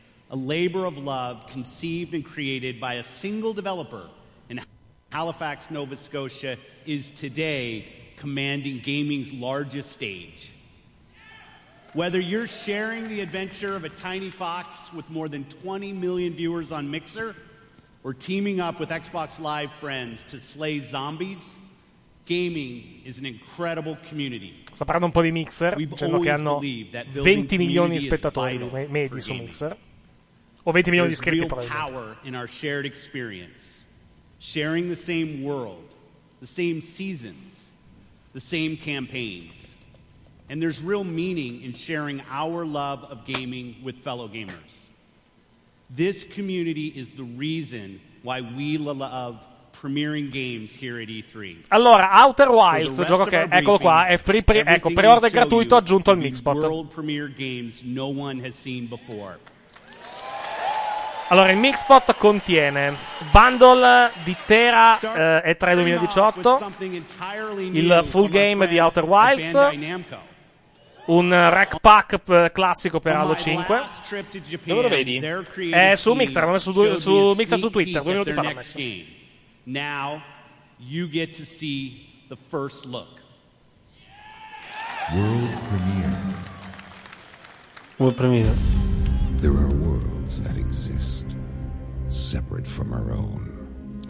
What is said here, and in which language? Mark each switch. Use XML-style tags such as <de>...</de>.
<en>A labor of love conceived and created by a single developer in Halifax, Nova Scotia, is today commanding gaming's largest stage. Whether you're sharing the adventure of a tiny fox with more than 20 million viewers on Mixer, or teaming up with Xbox Live friends to slay zombies, gaming is an incredible community.</en> <it>Sto parlando un po' di Mixer, dicendo che hanno 20 milioni di spettatori medi su Mixer, o 20 milioni di iscritti probabilmente.</it> <en>There's real power in our shared experience. Sharing the same world, the same seasons, the same campaigns. And there's real meaning in sharing our love of gaming with fellow gamers. This community is the reason why we love premiering games here at E3.</en> <it>Allora, Outer Wilds, gioco che, eccolo qua, è free, ecco, pre-order gratuito aggiunto al Mixpot.</it> <en>World premiere games no one has seen before.</en> <it>Allora, il Mixpot contiene bundle di Tera E3 2018, il full game di Outer Wilds, un rack pack classico per Halo 5. Dove lo vedi? È su Mixer, l'ho messo su Mixer su Twitter, 2 minuti fa l'ho messo.</it> <en>Now you get to see the first look. World premiere. World premiere. There are worlds that exist separate from our own.</en>